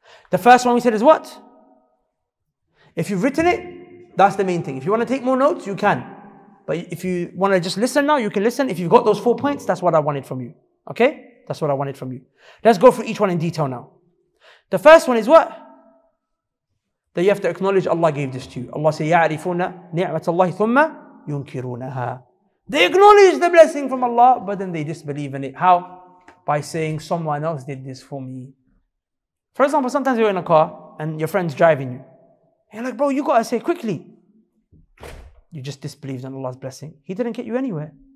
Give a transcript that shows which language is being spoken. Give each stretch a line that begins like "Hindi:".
English: The first one we said is what? If you've written it, that's the main thing. If you want to take more notes, you can. But if you want to just listen now, you can listen. If you've got those 4 points, that's what I wanted from you. Okay? That's what I wanted from you. Let's go through each one in detail now. The first one is what? That you have to acknowledge Allah gave this to you.
Arabic: Allah said, يَعْرِفُونَ نِعْمَةَ اللَّهِ ثُمَّ يُنْكِرُونَهَا.
English: They acknowledge the blessing from Allah, but then they disbelieve in it. How? By saying, someone else did this for me. For example, sometimes you're in a car and your friend's driving you. You're like, bro, you gotta say quickly. You just disbelieved in Allah's blessing. He didn't get you anywhere.